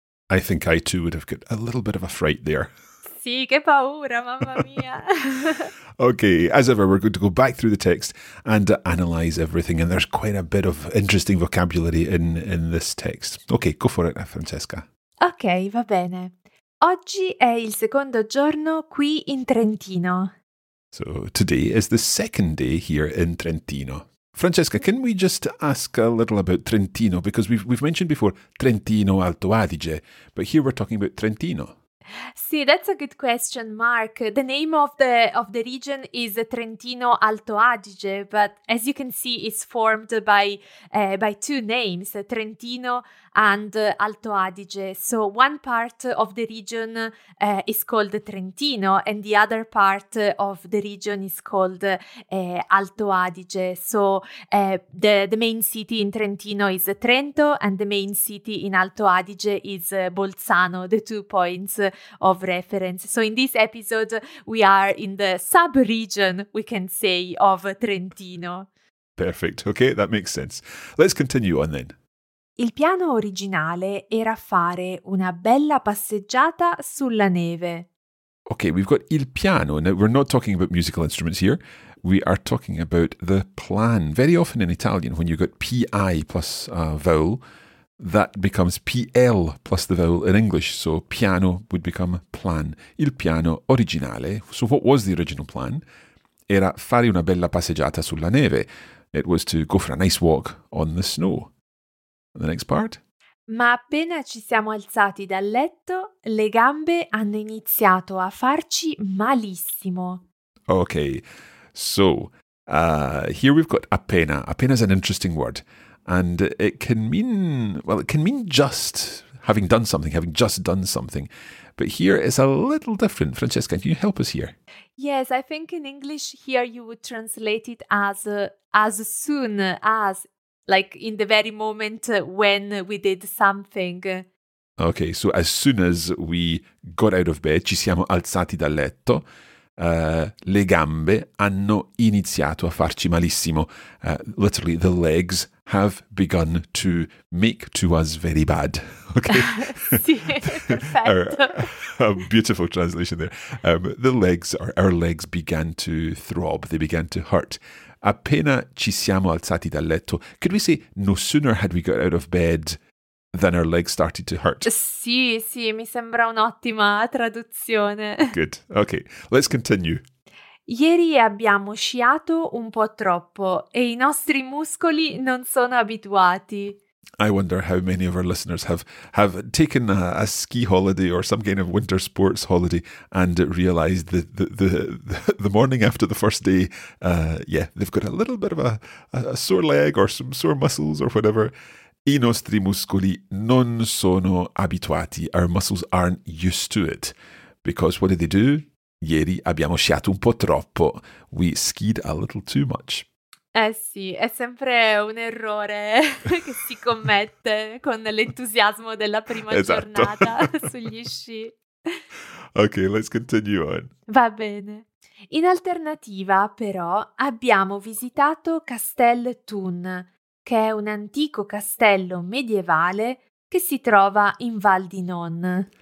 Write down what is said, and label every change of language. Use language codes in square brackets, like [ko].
[en] I think I too would have got a little bit of a fright there. [it] Sì, che paura, mamma mia. [en] Okay, as ever, we're going to go back through the text and analyze everything. And there's quite a bit of interesting vocabulary in this text. Okay, go for it, Francesca. [it] Okay, va bene. Oggi è il secondo giorno qui in Trentino. [en] So today is the second day here in Trentino. Francesca, can we just ask a little about Trentino? Because we've mentioned before Trentino Alto Adige, but here we're talking about Trentino. See, that's a good question, Mark. The name of the region is Trentino Alto Adige, but as you can see, it's formed by two names, Trentino and Alto Adige. So one part of the region is called Trentino, and the other part of the region is called Alto Adige. So the main city in Trentino is Trento, and the main city in Alto Adige is Bolzano, the two points of reference. So in this episode, we are in the sub-region, we can say, of Trentino. Perfect. Okay, that makes sense. Let's continue on then. [it] Il piano originale era fare una bella passeggiata sulla neve. [en] Okay, we've got [it] il piano. [en] Now, we're not talking about musical instruments here. We are talking about the plan. Very often in Italian, when you've got P-I plus a vowel, that becomes P-L plus the vowel in English. So piano would become plan. [it] Il piano originale. [en] So what was the original plan? [it] Era fare una bella passeggiata sulla neve. [en] It was to go for a nice walk on the snow. The next part? [it] Ma appena ci siamo alzati dal letto, le gambe hanno iniziato a farci malissimo. [en] Okay, so here we've got [it] appena. Appena [en] is an interesting word. And it can mean, well, it can mean just having done something, having just done something. But here it's a little different. Francesca, can you help us here? Yes, I think in English here you would translate it as soon as, like in the very moment when we did something. Okay, so as soon as we got out of bed, [it] ci siamo alzati dal letto, le gambe hanno iniziato a farci malissimo. [en] Literally, the legs have begun to make to us very bad. Okay. Perfect. A beautiful translation there. Our legs began to throb. They began to hurt. [it] Appena ci siamo alzati dal letto. [en] Could we say no sooner had we got out of bed than our legs started to hurt? [it] Sì, sì, mi sembra un'ottima traduzione. [en] Good. Okay, let's continue. [it] Ieri abbiamo sciato un po' troppo e i nostri muscoli non sono abituati. [en] I wonder how many of our listeners have taken a ski holiday or some kind of winter sports holiday and realized that the morning after the first day, they've got a little bit of a sore leg or some sore muscles or whatever. [it] I nostri muscoli non sono abituati. [en] Our muscles aren't used to it. Because what did they do? [it] Ieri abbiamo sciato un po' troppo. [en] We skied a little too much. [it] Eh sì, è sempre un errore che si commette con l'entusiasmo della prima esatto. giornata sugli sci. [en] Ok, let's continue on. [it] Va bene. In alternativa, però, abbiamo visitato Castel Thun, che è un antico castello medievale che si trova in Val di Non.